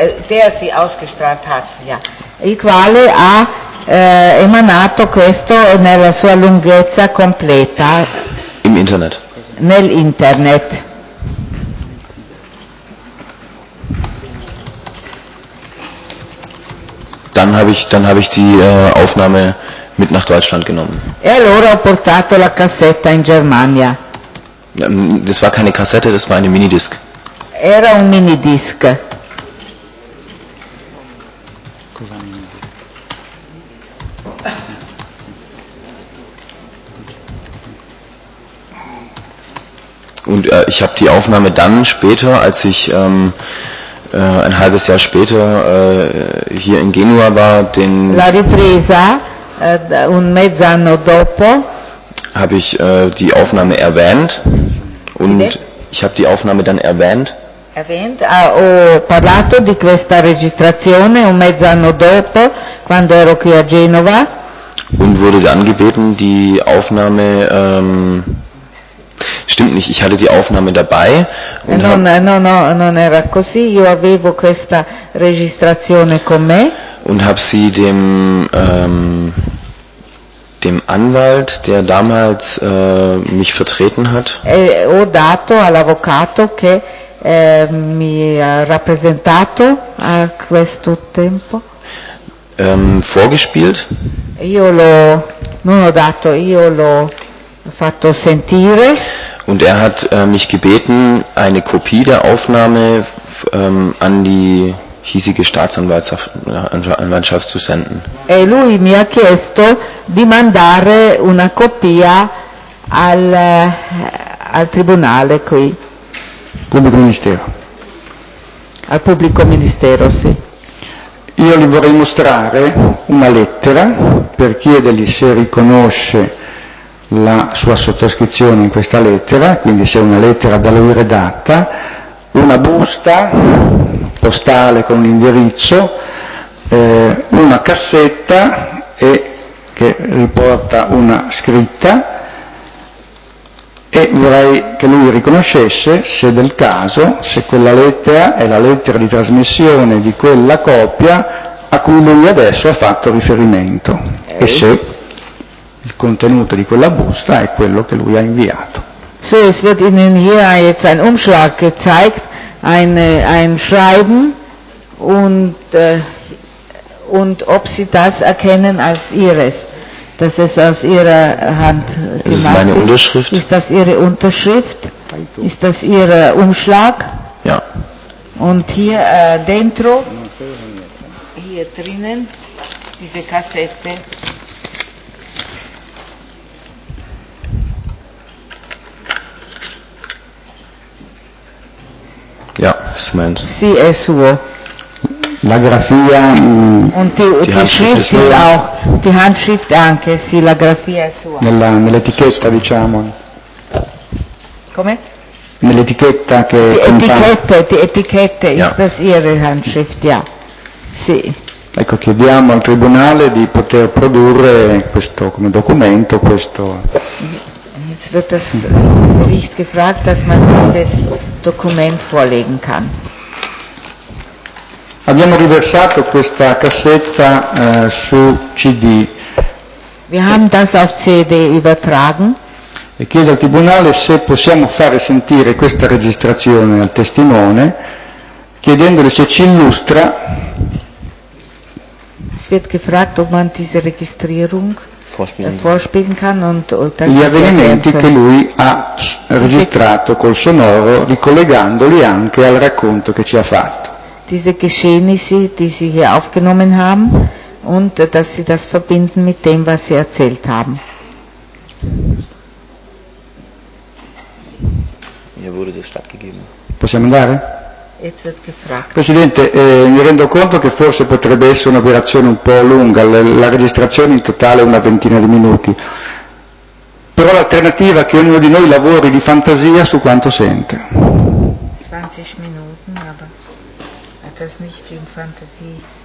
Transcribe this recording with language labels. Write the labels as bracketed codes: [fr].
[de] Der sie ausgestrahlt hat, ja. [it] Il quale ha emanato questo nella sua lunghezza completa. [de] Im Internet. [it] Nel Internet. [de] Dann habe ich die Aufnahme mit nach Deutschland genommen. [it] E allora ho portato la cassetta in Germania. [de] Das war keine Kassette, das war eine Minidisc. [it] Era un Minidisc. [de] Und ich habe die Aufnahme dann später, als ich ein halbes Jahr später hier in Genua war, den... [it] La ripresa, un mezz'anno dopo. [de] Habe ich die Aufnahme erwähnt. Und ich habe die Aufnahme dann erwähnt. [it] Erwähnt, ho parlato di questa registrazione un mezz'anno dopo, quando ero qui a Genova. [de] Und wurde dann gebeten, die Aufnahme, stimmt nicht, ich hatte die Aufnahme dabei. Und [it] non era così, io avevo questa registrazione con me. [de] Und habe sie dem Anwalt, der damals mich vertreten hat. [it] Ho dato all'avvocato che mi ha rappresentato a questo tempo. [de] Vorgespielt. [it] Io l'ho fatto sentire. [de] Und er hat mich gebeten, eine Kopie der Aufnahme an die hiesige Staatsanwaltschaft zu senden. [it] E lui mi ha chiesto di mandare una copia al tribunale qui. Pubblico ministero. Al pubblico ministero, sì. Io gli vorrei mostrare una lettera per chiedergli se riconosce la sua sottoscrizione in questa lettera, quindi se è una lettera da lui redatta, una busta postale con un indirizzo, una cassetta e che riporta una scritta, e vorrei che lui riconoscesse, se del caso, se quella lettera è la lettera di trasmissione di quella copia a cui lui adesso ha fatto riferimento, e se il contenuto di quella busta è quello che lui ha inviato. [de] So, es wird Ihnen hier jetzt ein Umschlag gezeigt, ein Schreiben, und ob Sie das erkennen als Ihres, dass es aus Ihrer Hand gemacht ist. Ist meine Unterschrift? Ist das Ihre Unterschrift? Ist das Ihr Umschlag? Ja. Und hier [it] dentro, [de] hier drinnen, ist diese Kassette. Ja, ist meins. [it] Sì, è suo. La grafia, [de] und die Handschrift ist auch, die Handschrift [it] anche, sì, la grafia è sua. Nell'etichetta, diciamo. Come? Nell'etichetta che... Etichette, ja. [de] Ist das Ihre Handschrift, ja. [it] Sì. Ecco, chiediamo al Tribunale di poter produrre questo, come documento, questo... [de] Jetzt wird das Gericht gefragt, dass man dieses Dokument vorlegen kann. [it] Abbiamo riversato questa cassetta su CD. [de] Wir haben das auf CD übertragen. [it] E chiedo al Tribunale se possiamo fare sentire questa registrazione al testimone, chiedendole se ci illustra [de] Es wird gefragt, ob man diese Registrierung vorspielen kann und [it] gli avvenimenti che lui ha registrato col sonoro, ricollegandoli anche al racconto che ci ha fatto. [de] Diese Geschehnisse, die sie hier aufgenommen haben und dass sie das verbinden mit dem, was sie erzählt haben. Mir wurde das stattgegeben. [it] Possiamo andare? [de] Jetzt wird gefragt. [it] Presidente, mi rendo conto che forse potrebbe essere un'operazione un po' lunga, la registrazione in totale è una ventina di minuti, però l'alternativa è che ognuno di noi lavori di fantasia su quanto sente. 20 minuti, ma [de] das nicht [it] in fantasia.